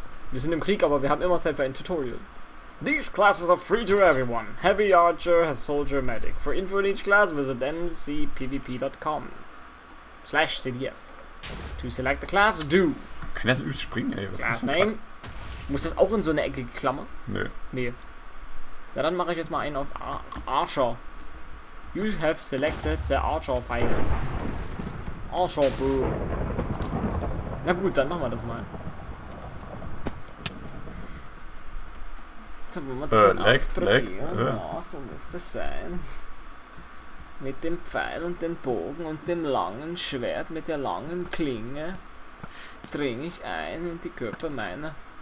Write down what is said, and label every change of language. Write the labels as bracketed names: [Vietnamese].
[German] Wir sind im Krieg, aber wir haben immer Zeit für ein Tutorial. [English] These classes are free to everyone. Heavy Archer, Soldier, Medic. For info in each class, visit ncpvp.com/cdf. Do you select the class? Do. [German] Kann das übrigens springen, ey? [English] Was class name? [German] Muss das auch in so eine Ecke klammern? Nö. Nee. Ja, dann mache ich jetzt mal einen auf Archer. [English] You have selected the Archer file. Archer, bro. [German] Na gut, dann machen wir das mal. Dann wollen wir das mal ausprobieren. Ja, so muss das sein. Mit dem Pfeil und dem Bogen und dem langen Schwert mit der langen Klinge dringe ich ein in die Körper meiner.